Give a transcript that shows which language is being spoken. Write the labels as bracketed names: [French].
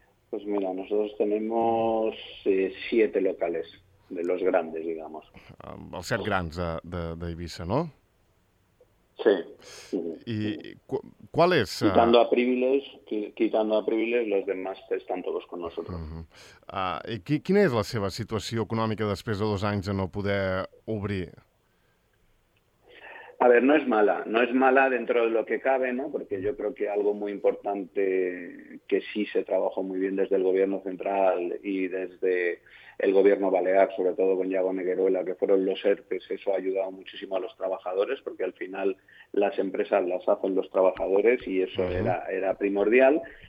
[Spanish] Pues mira, nosotros tenemos 7 locales, de los grandes, digamos. [Catalan] Els 7 grans d'Eivissa, no? [Spanish] Sí. [Catalan] I qual és? [Spanish] Quitando a Privilege, los demás están todos con nosotros. [Catalan] I quina és la seva situació econòmica després de 2 anys de no poder obrir? [Spanish] A ver, no es mala dentro de lo que cabe, ¿no? Porque yo creo que algo muy importante que sí se trabajó muy bien desde el gobierno central y desde el gobierno balear, sobre todo con Yago Negueruela, que fueron los ERTES, eso ha ayudado muchísimo a los trabajadores, porque al final las empresas las hacen los trabajadores y eso era primordial.